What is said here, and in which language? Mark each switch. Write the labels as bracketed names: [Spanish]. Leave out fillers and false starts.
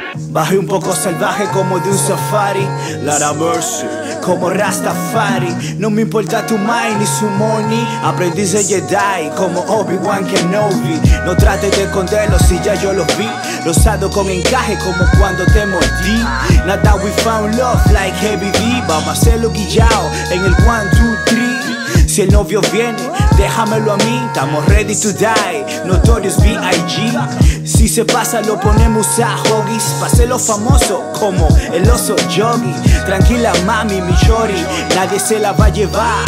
[Spanish] Bajé un poco salvaje como de un safari. Lara Mercy, como Rastafari. No me importa tu mind ni su money. Aprendiz de Jedi, como Obi-Wan Kenobi. No trates de esconderlo si ya yo lo vi. Rosado con encaje como cuando te mordí. [English] Nada, we found love like heavy D. [Spanish] Vamos a hacerlo guillao en el 1, 2, 3. Si el novio viene, déjamelo a mí. [English] Estamos ready to die, Notorious B.I.G. [Spanish] Si se pasa, lo ponemos a Hoggies. Pasé lo famoso como el oso Yogi. Tranquila, mami, mi shorty. Nadie se la va a llevar.